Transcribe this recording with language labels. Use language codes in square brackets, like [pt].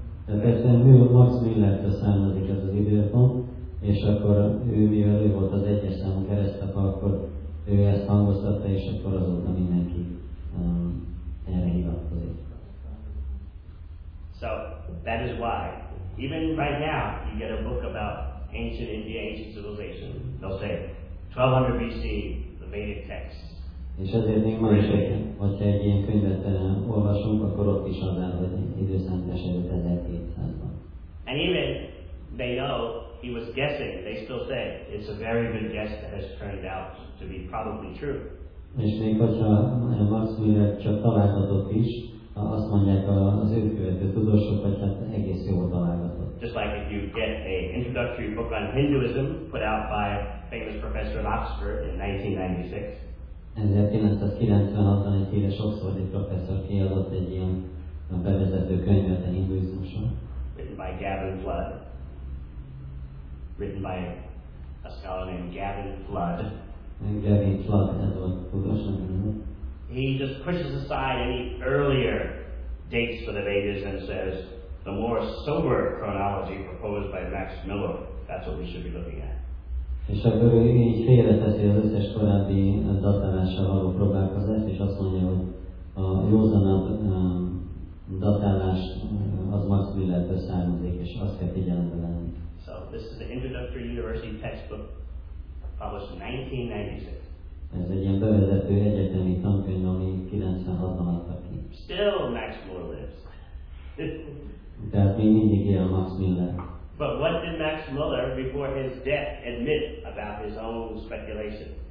[hu] Max Müller származik az időpont. És akkor ő, mivel ő volt az egyes számú keresztapa, akkor ő ezt hangoztatta, és akkor azóta mindenki erre hivatkozik. [en] So, that is why. Even right now, you get a book about ancient India, ancient civilization. They'll say, 1200 BC, the Vedic text. [hu] És azért még ma is, hogyha egy ilyen könyvet olvasunk, akkor ott is az áll, hogy időszámítás előtt 1200-ban. [en] And even they know he was guessing, they still say it's a very good guess that has turned out to be probably true. [hu] És még hogyha Max Müller csak találgatott is, azt mondják az ő követő tudósok, hogy hát egész jól találgatott. [en] Just like if you get an introductory book on Hinduism put out by a famous professor at Oxford in 1996. [hu] 1996-ban egy híres oxfordi professzor kiadott egy ilyen bevezető könyvet a hinduizmusról. [en] Written by Gavin Flood. Written by a scholar named Gavin Flood. And Gavin Flood has a position. He just pushes aside any earlier dates for the Vedas and says the more sober chronology proposed by Max Müller, that's what we should be looking at. [hu] És akkor ő így félreteszi az összes korábbi datálással való próbálkozást, és azt mondja, hogy a józanabb datálás az Max Müllertől származik, és azt kell figyelembe venni. [en] So this is the introductory university textbook published in 1996. Still Max Müller lives. But what did Max Müller before his death admit about his own speculation?